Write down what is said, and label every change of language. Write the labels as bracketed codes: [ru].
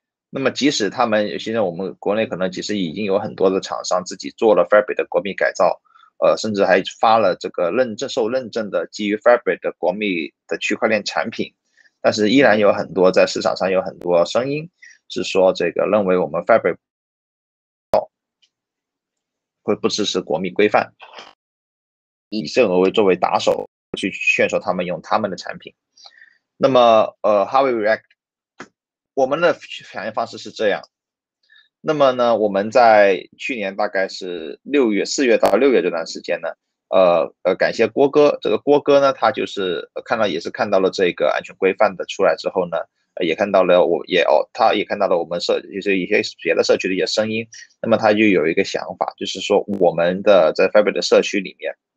[zh] 那么即使他们现在我们国内可能其实已经有很多的厂商自己做了 Fabric 的国密改造，甚至还发了这个认证受认证的基于 Fabric 的国密的区块链产品，但是依然有很多在市场上有很多声音是说这个认为我们 Fabric 会不支持国密规范，以这个作为打手去劝说他们用他们的产品。那么 [en] How we react？ [zh] 我们的反应方式是这样。那么呢，我们在去年大概是4月到6月这段时间呢，感谢郭哥，这个郭哥呢，他就是看到了这个安全规范的出来之后呢，他也看到了我们社就是一些别的社区的一些声音，那么他就有一个想法，就是说我们的在 Fabric 的社区里面